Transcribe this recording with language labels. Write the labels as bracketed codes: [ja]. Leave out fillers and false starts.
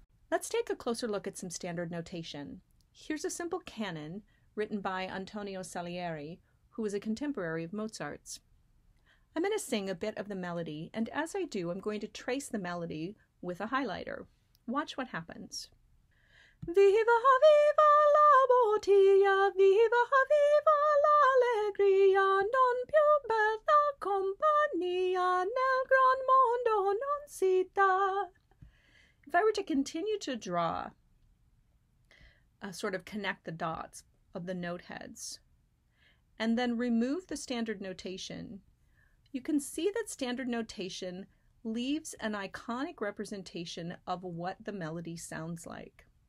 [en] Let's take a closer look at some standard notation. Here's a simple canon written by Antonio Salieri, who was a contemporary of Mozart's. I'm going to sing a bit of the melody, and as I do, I'm going to trace the melody with a highlighter. Watch what happens. [it] Viva, viva la bottia, viva, viva l'allegria, non più bella compagnia, nel gran mondo non si dà. [en] If I were to continue to draw, sort of connect the dots of the note heads, and then remove the standard notation, you can see that standard notation leaves an iconic representation of what the melody sounds like.